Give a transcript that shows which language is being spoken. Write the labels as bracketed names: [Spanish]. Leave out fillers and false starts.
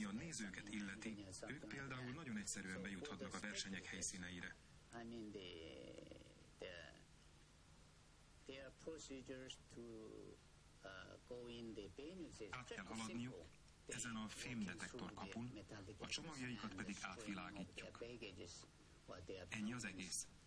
[Hungarian] Ami a nézőket illeti, ők például nagyon egyszerűen bejuthatnak a versenyek helyszíneire. [English] I mean their procedures to go in the venues is simple. [Hungarian] Ezen a fémdetektor kapun, a csomagjaikat pedig átvilágítjuk. Ennyi az egész.